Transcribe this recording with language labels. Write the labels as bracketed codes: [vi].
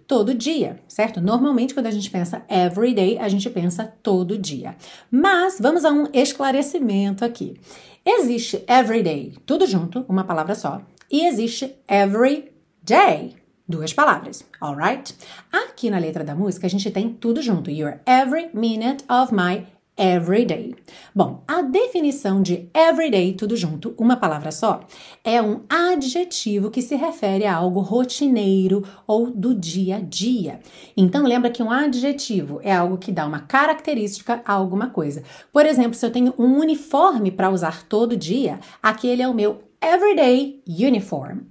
[pt] Todo dia, certo? Normalmente quando a gente pensa every day, a gente pensa todo dia. Mas vamos a um esclarecimento aqui. Existe every day, tudo junto, uma palavra só, e existe every day. Duas palavras, alright? Aqui na letra da música a gente tem tudo junto. [en] You're every minute of my every day. [pt] Bom, a definição de every day, tudo junto, uma palavra só, é um adjetivo que se refere a algo rotineiro ou do dia a dia. Então lembra que um adjetivo é algo que dá uma característica a alguma coisa. Por exemplo, se eu tenho um uniforme para usar todo dia, aquele é o meu everyday uniform.